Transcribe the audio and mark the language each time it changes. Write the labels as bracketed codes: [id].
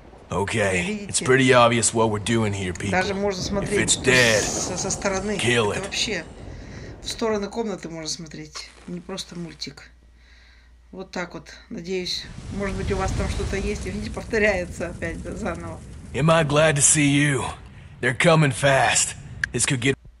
[en] Okay, it's pretty obvious what we're doing here, people. [ru] Даже можно смотреть. [en] If it's dead, [ru] со стороны. [en] Kill it. [ru] Это вообще... В стороны комнаты можно смотреть, не просто мультик. Вот так вот, надеюсь, может быть, у вас там что-то есть, и видите, повторяется опять да, заново. [en] Am I glad to see you? They're coming fast. This could get...